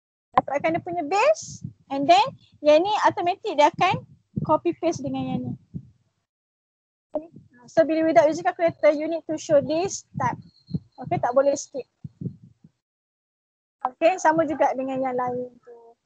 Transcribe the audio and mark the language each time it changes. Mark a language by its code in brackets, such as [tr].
[ms] Dapatkan dia punya base [en] and then [ms] yang ini automatic dia akan copy paste dengan yang ini. [en] So bila without using calculator, you need to show this step. [ms] Okay, tak boleh skip. Okay, sama juga dengan yang lain tu.